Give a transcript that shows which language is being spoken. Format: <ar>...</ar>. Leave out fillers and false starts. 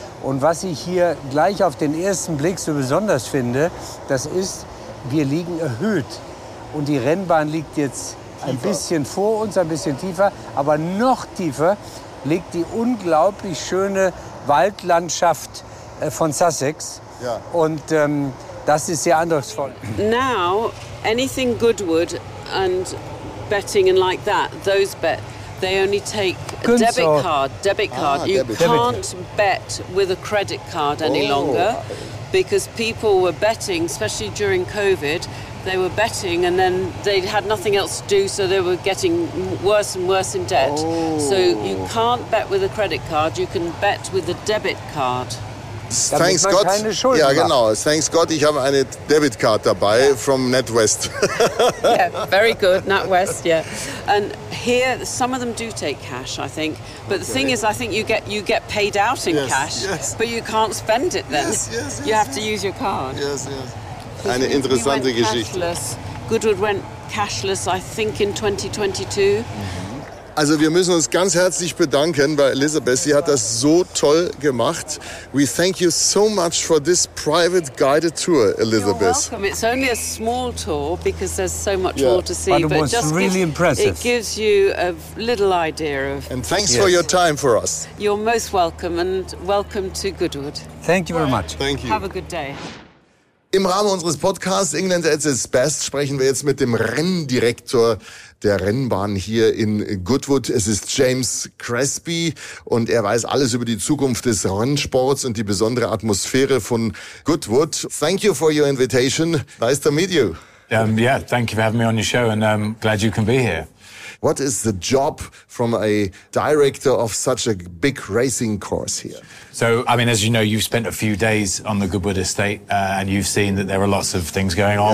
<de>Und was ich hier gleich auf den ersten Blick so besonders finde, das ist, wir liegen erhöht. Und die Rennbahn liegt jetzt ein bisschen vor uns, ein bisschen tiefer. Aber noch tiefer liegt die unglaublich schöne Waldlandschaft von Sussex. Ja. Und das ist sehr eindrucksvoll.</de> <en>Now, anything Goodwood and betting and like that, those bet. They only take a debit card. You can't bet with a credit card any longer because people were betting, especially during COVID, they were betting, and then they had nothing else to do, so they were getting worse and worse in debt. Oh. So you can't bet with a credit card, you can bet with a debit card. Thanks God.</en> <de>Ja, genau.</de> <en>Thanks God,</en> <de>ich habe eine Debitcard dabei,</de> <en>yeah. From NatWest. Yeah, very good, NatWest, yeah. And here, some of them do take cash, I think. But okay. The thing is, I think you get paid out in yes, cash, yes. But you can't spend it then. Yes, yes, yes. You have yes. to use your card. Yes, yes.</en> <de>Eine interessante</de> <en>we went</en> <de>Geschichte.</de> <en>Cashless. Goodwood went cashless, I think, in 2022.</en> <de>Also wir müssen uns ganz herzlich bedanken bei Elisabeth. Sie hat das so toll gemacht.</de> <en>We thank you so much for this private guided tour, Elisabeth. You're welcome. It's only a small tour because there's so much yeah. more to see. But it was just really impressive. It gives you a little idea of... And thanks yes. for your time for us. You're most welcome and welcome to Goodwood. Thank you very much. Thank you. Have a good day.</en> <de>Im Rahmen unseres Podcasts England at its Best sprechen wir jetzt mit dem Renndirektor der Rennbahn hier in Goodwood. Es ist James Crespi und er weiß alles über die Zukunft des Rennsports und die besondere Atmosphäre von Goodwood.</de> <en>Thank you for your invitation. Nice to meet you. Yeah, thank you for having me on your show and glad you can be here. What is the job from a director of such a big racing course here? So, I mean, as you know, you've spent a few days on the Goodwood Estate and you've seen that there are lots of things going on,</en>